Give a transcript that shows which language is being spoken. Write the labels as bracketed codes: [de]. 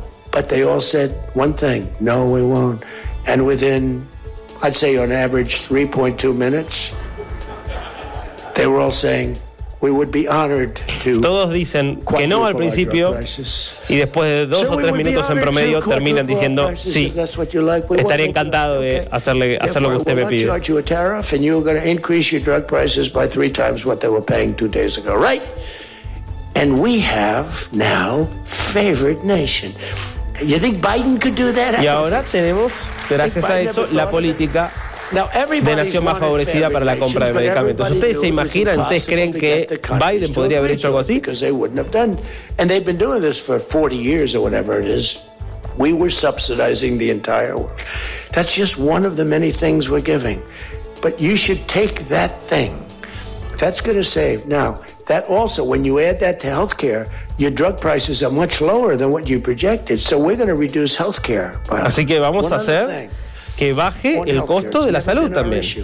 [en] But they all said one thing, no, we won't. And within, I'd say on average, 3.2 minutes, they were all saying, we would be honored to. [es] Todos dicen que no al principio y después de dos o tres minutos en promedio terminan diciendo sí. Estaría encantado de hacer lo que usted me pide. [en] We're going to charge you a tariff and you're going to increase your drug prices by three times what they were paying 2 days ago, right? And we have now favored nation. You think Biden could do that? [es] Y ahora tenemos, gracias a eso, la política de nación más favorecida para la compra de medicamentos. ¿Ustedes se imaginan? ¿Ustedes creen que Biden podría haber hecho algo así? [en] Because they wouldn't have done. And they've been doing this for 40 years or whatever it is. We were subsidizing the entire world. That's just one of the many things we're giving. But you should take that thing. That's going to save. Now, that also, when you add that to healthcare, your drug prices are much lower than what you projected. So we're going to reduce healthcare. [es] Así que vamos a hacer que baje el costo de la salud también.